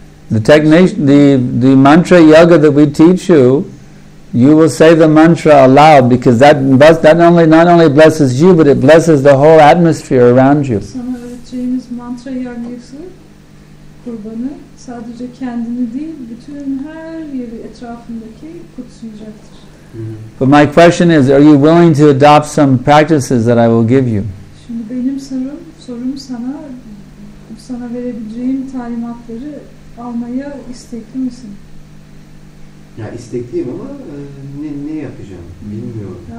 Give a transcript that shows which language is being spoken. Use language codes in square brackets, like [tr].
[en] The mantra yoga that we teach you, you will say the mantra aloud because that not only blesses you but it blesses the whole atmosphere around you. [tr] Sana öğreteceğimiz mantra yogası kurbanı sadece kendini değil bütün her yeri etrafındaki kutsayacaktır. [en] But my question is, are you willing to adopt some practices that I will give you? [tr] Şimdi benim sorum sana verebileceğim talimatları Almaya istekli misin? Ya istekliyim ama ne yapacağım bilmiyorum.